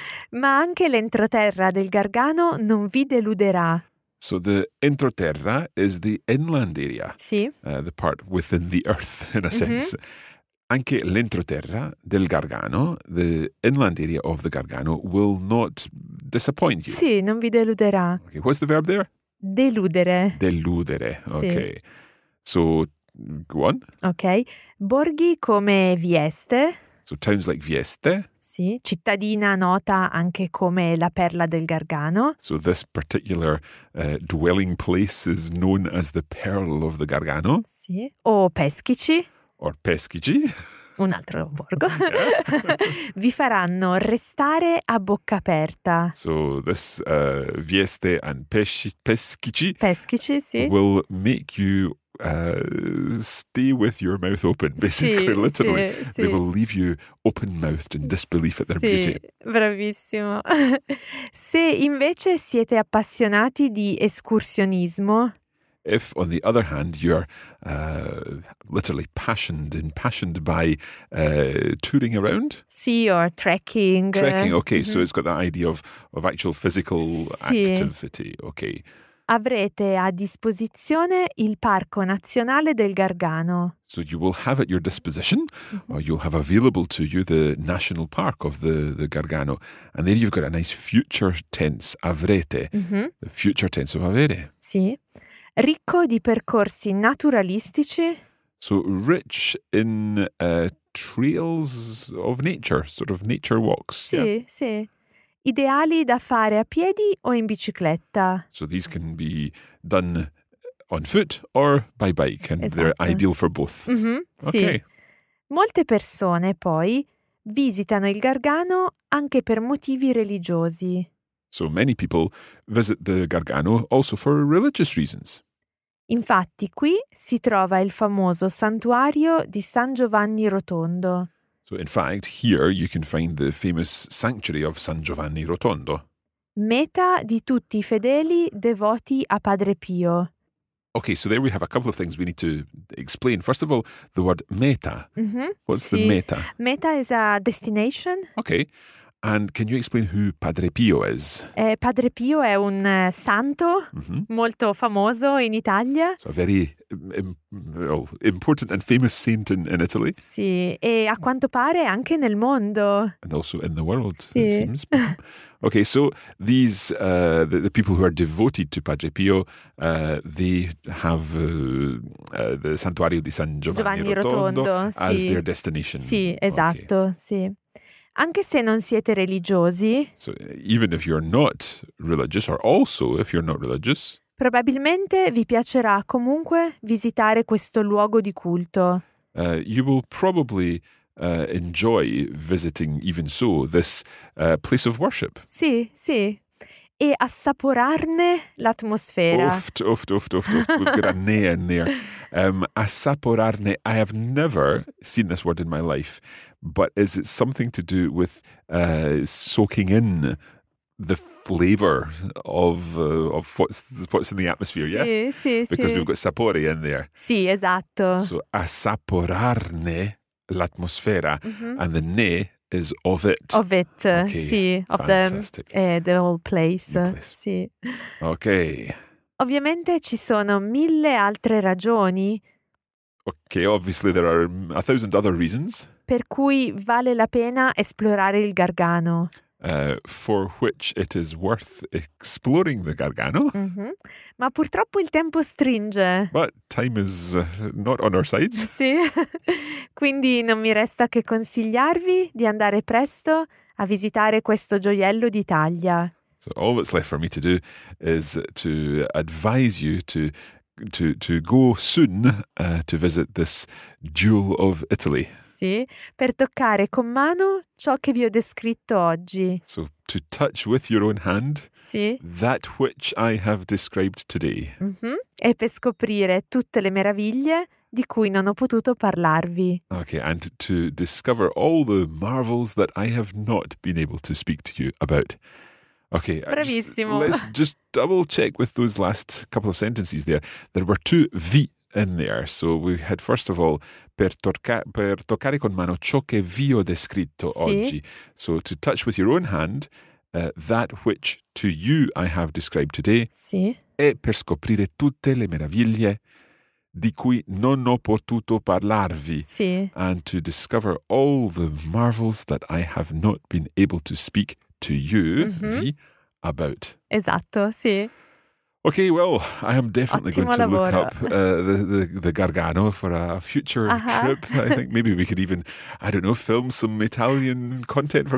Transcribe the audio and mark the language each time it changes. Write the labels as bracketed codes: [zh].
[it] Ma anche l'entroterra del Gargano non vi deluderà. [en] So the entroterra is the inland area. [it] Sì. [en] The part within the earth, in a sense. [it] Anche l'entroterra del Gargano, [en] the inland area of the Gargano, will not disappoint you. [it] Sì, non vi deluderà. [en] Okay, what's the verb there? [it] Deludere. Deludere, okay. Sì. [en] So, go on. [it] Okay. Borghi come Vieste. [en] So, towns like Vieste. [it] Sì, cittadina nota anche come la perla del Gargano. [en] So, this particular dwelling place is known as the pearl of the Gargano. [it] Sì, o Peschici. [en] Or Peschici. [it] Un altro borgo. Vi faranno restare a bocca aperta. [en] So this Vieste and Peschici. [it] Peschici, sì. [en] Will make you stay with your mouth open, basically, [it] sì, [en] literally. [it] Sì, [en] they [it] sì. [en] will leave you open-mouthed in disbelief at their [it] sì, [en] beauty. [it] Bravissimo. Se invece siete appassionati di escursionismo... [en] If, on the other hand, you're literally impassioned by touring around? Sea or trekking. Trekking, okay. Mm-hmm. So it's got that idea of actual physical [it] sì. [en] activity, okay. [it] Avrete a disposizione il Parco Nazionale del Gargano. [en] So you will have at your disposition, mm-hmm. or you'll have available to you the National Park of the Gargano. And there you've got a nice future tense, avrete, mm-hmm. the future tense of avere. [it] Sì. Ricco di percorsi naturalistici. [en] So rich in trails of nature, sort of nature walks. [it] Sì, [en] yeah. [it] sì. Ideali da fare a piedi o in bicicletta. [en] So these can be done on foot or by bike and [it] esatto. [en] they're ideal for both. [it] Mm-hmm, sì. [en] Okay. [it] Molte persone poi visitano il Gargano anche per motivi religiosi. [en] So many people visit the Gargano also for religious reasons. [it] Infatti qui si trova il famoso santuario di San Giovanni Rotondo. [en] So in fact here you can find the famous sanctuary of San Giovanni Rotondo. [it] Meta di tutti i fedeli devoti a Padre Pio. [en] Okay, so there we have a couple of things we need to explain. First of all, the word meta. Mm-hmm, What's [it] sì. [en] the meta? Meta is a destination. Okay. And can you explain who Padre Pio is? [it] Padre Pio è un santo mm-hmm. molto famoso in Italia. [en] So a very important and famous saint in Italy. [it] Sì, e a quanto pare anche nel mondo. [en] And also in the world, [it] sì. [en] it seems. Okay, so these the people who are devoted to Padre Pio, they have the Santuario di San Giovanni Rotondo as [it] sì. [en] their destination. [it] Sì, esatto, [en] okay. [it] sì. Anche se non siete religiosi. [en] So, even if you're not religious, or also if you're not religious. [it] Probabilmente vi piacerà comunque visitare questo luogo di culto. [en] You will probably enjoy visiting, even so, this place of worship. [it] Sì, sì. E assaporarne l'atmosfera. [en] Oft. We've got a ne in there. Assaporarne. I have never seen this word in my life. But is it something to do with soaking in the flavor of what's in the atmosphere, yeah? [it] Sì, sì, [en] because [it] sì. [en] we've got sapore in there. [it] Sì, esatto. So assaporarne l'atmosfera. Mm-hmm. [en] And the ne is of it. Of it, okay. Sì. Of the whole place. Sì. Ok. [it] Ovviamente ci sono mille altre ragioni. [en] Ok, obviously there are a thousand other reasons. [it] Per cui vale la pena esplorare il Gargano. [en] For which it is worth exploring the Gargano. [it] Mm-hmm. Ma purtroppo il tempo stringe. [en] But time is not on our sides. [it] Sì. Quindi non mi resta che consigliarvi di andare presto a visitare questo gioiello d'Italia. [en] So all that's left for me to do is to advise you to go soon to visit this jewel of Italy. [it] Sì, per toccare con mano ciò che vi ho descritto oggi. [en] So to touch with your own hand, [it] sì, [en] that which I have described today. Mm-hmm. [it] E per scoprire tutte le meraviglie di cui non ho potuto parlarvi. [en] Okay, and to discover all the marvels that I have not been able to speak to you about. Okay, [it] bravissimo. [en] Let's just double check with those last couple of sentences there. There were two vi in there. So we had, first of all, [it] per toccare con mano ciò che vi ho descritto, sì, oggi. [en] So to touch with your own hand that which to you I have described today. [it] Sì. E per scoprire tutte le meraviglie di cui non ho potuto parlarvi. Sì. [en] And to discover all the marvels that I have not been able to speak to you, mm-hmm, vi, about. [it] Esatto, sì. [en] Okay, well, I am definitely [it] ottimo [en] going to [it] lavoro [en] look up the Gargano for a future, uh-huh, trip. I think maybe we could even, I don't know, film some Italian content for